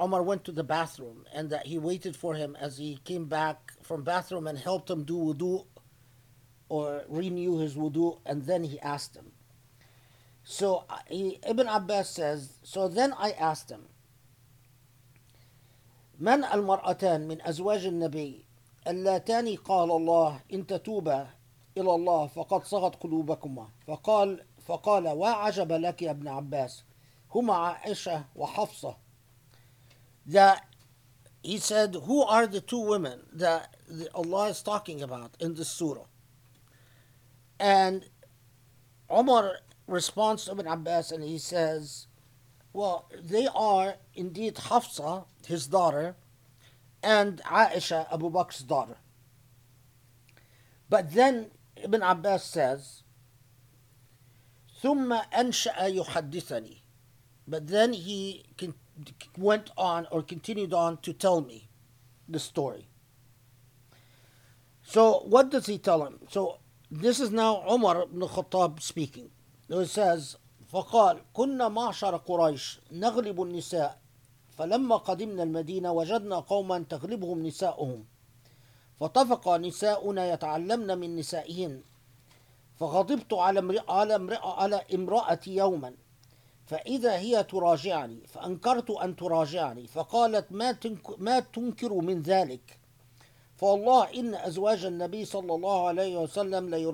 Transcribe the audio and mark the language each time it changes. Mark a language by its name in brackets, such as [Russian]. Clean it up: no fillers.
[English] Umar went to the bathroom, and that he waited for him as he came back from bathroom and helped him do wudu or renew his wudu, and then he asked him. So Ibn Abbas says, so then I asked him, [Arabic] من المرأتان من أزواج النبي اللتان قال الله إن تتوبا إلى الله فقد صغت قلوبكما فقال وعجب لك يا ابن عباس هما عائشة وحفصة. [English] He said, who are the two women that Allah is talking about in this surah? And Umar responds to Ibn Abbas and he says, well, they are indeed Hafsa, his daughter, and Aisha, Abu Bakr's daughter. But then Ibn Abbas says, [Arabic] ثُمَّ أَنْشَأَ يُحَدِّثَنِي. [English] But then he went on or continued on to tell me the story. So what does he tell him? So this is now Umar ibn Khattab speaking. He says, [Arabic] فقال كنا معشر قريش نغلب النساء فلما قدمنا المدينة وجدنا قوما تغلبهم نساؤهم فطفق نساؤنا يتعلمن من نسائهن فغضبت على امرأتي يوما فإذا هي تراجعني فأنكرت أن تراجعني فقالت ما تنكر من ذلك فوالله إن أزواج النبي صلى الله عليه وسلم